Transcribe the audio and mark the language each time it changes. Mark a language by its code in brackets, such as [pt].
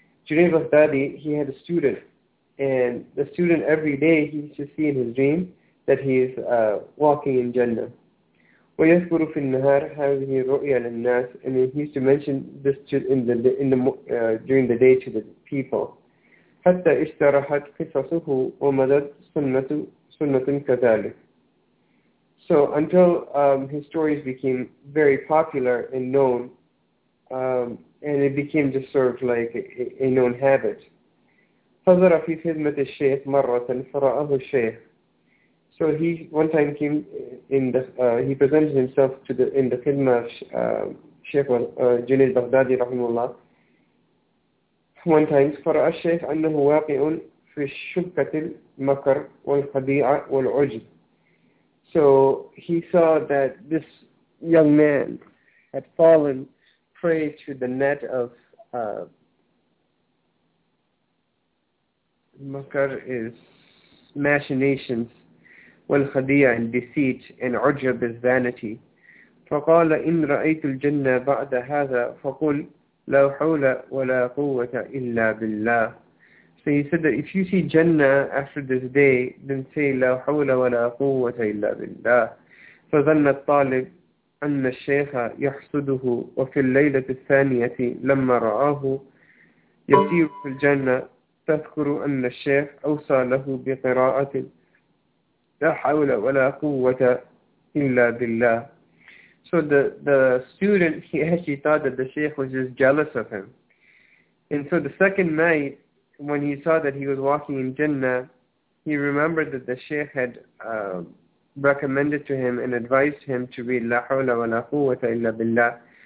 [en] Junaid Baghdadi, he had a student, and the student every day he used to see in his dream that he is walking in Jannah. [ar] ويذكر في النهار هذه الرؤيا للناس, [en] and he used to mention this to, during the day to the people. [ar] حتى اشترحت قصصه ومضت سنة كذلك. [en] So until his stories became very popular and known, and it became just sort of like a known habit. [ar] فظهر في خدمة الشيخ مرة فرآه الشيخ. [en] So he one time came in the he presented himself to the in the khidmah of Sheikh Junaid Baghdadi rahimullah. One time, [ar] فرأى الشيخ أنه واقع في شبكة المكر والخديعة والعجب. [en] So he saw that this young man had fallen prey to the net of makar is machinations, والخديعة and deceit, and عجب is vanity. [ar] فقال إن رأيت الجنة بعد هذا فقل لا حول ولا قوة إلا بالله. [en] So he said that if you see Jannah after this day, then say [ar] لا حول ولا قوة إلا بالله. فظن الطالب أن الشيخ يحسده, وفي الليلة الثانية لما رآه يسير في الجنة تذكر أن الشيخ أوصى له بقراءة لا حول ولا قوة إلا بالله. [en] So the student, he actually thought that the sheikh was just jealous of him. And so the second night, when he saw that he was walking in Jannah, he remembered that the sheikh had recommended to him and advised him to read [ar] La hawla wa la quwwata illa billah.